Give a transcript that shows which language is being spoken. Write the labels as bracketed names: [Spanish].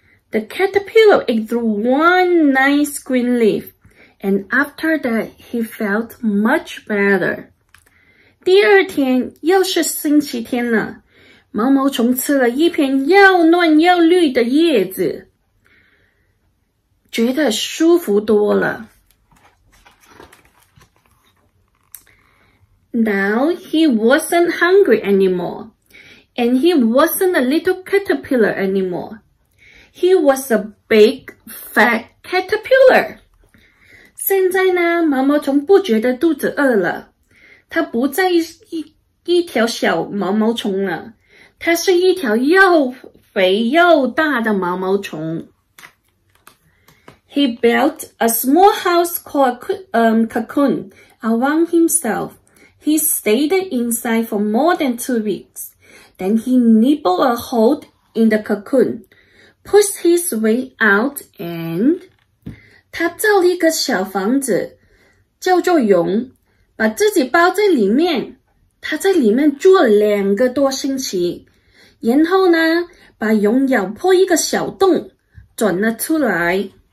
[English] The caterpillar ate through one nice green leaf, and after that, he felt much better. [Chinese] 第二天又是星期天了，毛毛虫吃了一片又嫩又绿的叶子，觉得舒服多了。 [English] Now he wasn't hungry anymore. And he wasn't a little caterpillar anymore. He was a big, fat caterpillar. [Chinese] 现在呢，毛毛虫不觉得肚子饿了。它不再一条小毛毛虫了。它是一条又肥又大的毛毛虫。 [English] He built a small house called cocoon around himself. He stayed inside for more than 2 weeks. Then he nibbled a hole in the cocoon, pushed his way out, and [Chinese] 他造了一个小房子，叫做蛹，把自己包在里面。他在里面住了两个多星期，然后呢，把蛹咬破一个小洞，钻了出来。